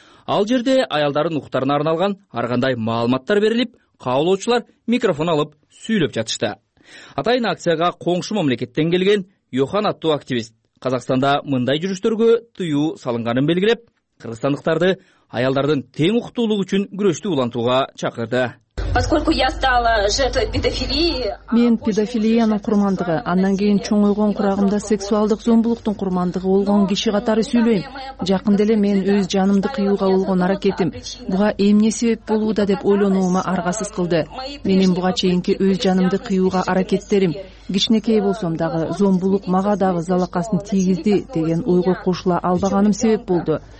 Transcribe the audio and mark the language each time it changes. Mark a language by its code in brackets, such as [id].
[ky] Ал жерде аялдардын укуктарына арналган ар кандай маалыматтар берилип, каалоочулар микрофон алып сүйлөп жатышты. Атайын акцияга коңшу мамлекеттен келген Йохан аттуу активист Казакстанда мындай жүрүштөргө тыюу салынганын белгилеп, кыргызстандыктарды аялдардын тең укуктуулугу үчүн күрөштү улантууга чакырды. [ru] Поскольку я стала жертвой педофилии. [ky] Мен педофилиянын курмандыгы, андан кийин чоңойгон курагымда сексуалдык зомбулуктун курмандыгы болгон киши катары сүйлөйм. Жакында эле мен өз жанымды кыюуга болгон аракетим буга эмне себеп болууда деп ойлонууму аргасыз кылды. Менин буга чейинки өз жанымды кыюуга аракеттерим кичинекей болсом дагы зомбулук мага дагы залакасын тийгизди деген ойго кошула албаганым себеп болду.